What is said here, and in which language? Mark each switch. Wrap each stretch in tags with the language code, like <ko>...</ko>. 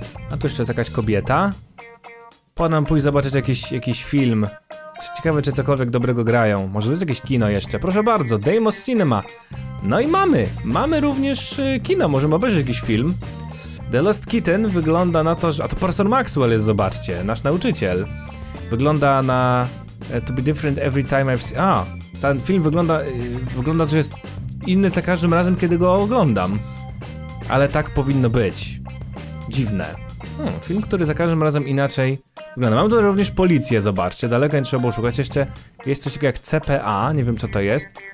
<pl>A tu jeszcze jest jakaś kobieta. Podam pójść zobaczyć jakiś film. Ciekawe, czy cokolwiek dobrego grają. Może to jest jakieś kino jeszcze? Proszę bardzo, Deimos Cinema. No i mamy! Mamy również kino, możemy obejrzeć jakiś film. The Lost Kitten wygląda na to, że... A to profesor Maxwell jest, zobaczcie, nasz nauczyciel. Wygląda na...</pl> <en>To be different every time I've seen... A!</en> <pl>Ten film wygląda, że jest inny za każdym razem, kiedy go oglądam. Ale tak powinno być. Dziwne. Film, który za każdym razem inaczej wygląda. Mamy tutaj również policję, zobaczcie. Daleko nie trzeba było szukać. Jeszcze jest coś takiego jak CPA, nie wiem co to jest.</pl>